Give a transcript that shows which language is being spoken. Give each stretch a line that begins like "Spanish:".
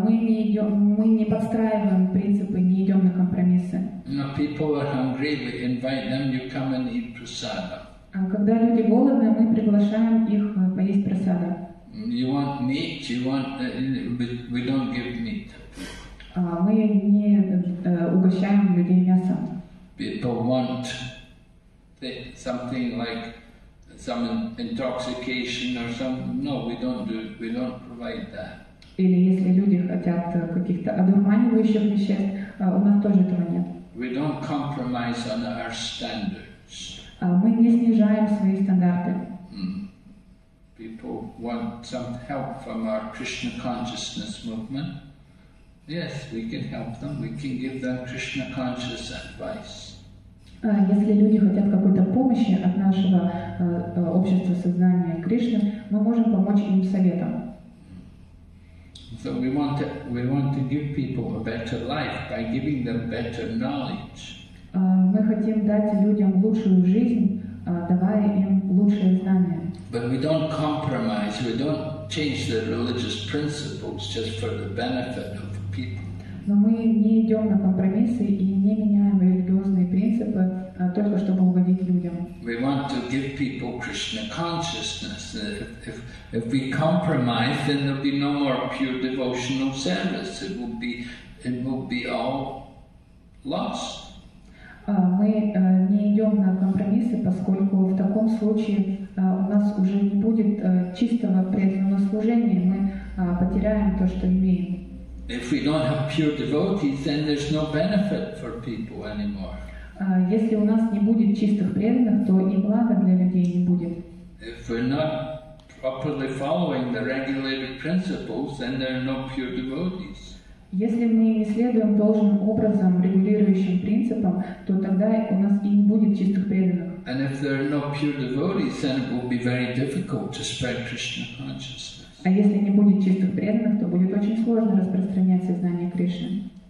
Russian: Мы не подстраиваем принципы, не идем на компромиссы.
English: No, people are hungry, we invite them, you come and eat prasada.
Russian: Когда люди голодны, мы приглашаем их поесть прасада.
English: You want meat, you want, but we don't give meat.
Russian: Мы не угощаем людей мясом.
English: People want something like some intoxication or some, no, we don't provide that.
Russian: Или если люди хотят каких-то одурманивающих веществ, у нас тоже этого нет.
English: We don't compromise on our standards.
Russian: Мы не снижаем свои стандарты.
English: People want some help from our Krishna consciousness movement. Yes, we can help them, we can give them Krishna conscious advice.
Russian: Если люди хотят какой-то помощи от нашего общества сознания Кришны, мы можем помочь им советом.
English: So we want to give people a better life by giving them better knowledge.
Russian: Мы хотим дать людям лучшую жизнь, давая им лучшие знания.
English: But we don't compromise, we don't change the religious principles just for the benefit of the people.
Russian: Но мы не идем на компромиссы и не меняем религиозные принципы только чтобы угодить людям.
English: We want to give people Krishna consciousness. If we compromise, then there'll be no more pure devotional service. It will be all lost.
Russian: Мы не идем на компромиссы, поскольку в таком случае у нас уже не будет чистого преданного служения. Мы потеряем то, что имеем.
English: If we don't have pure devotees, then there's no benefit for people anymore.
Russian: Если у нас не будет чистых преданных, то и блага для людей не будет.
English: If we're not properly following the regulated principles, then there are no pure devotees.
Russian: Если мы не следуем должным образом регулирующим принципам, то тогда у нас и не будет чистых преданных.
English: And if there are no pure devotees, then it will be very difficult to spread Krishna consciousness.
Russian: А если не будет чистых преданных, то будет очень сложно распространять сознание Кришны.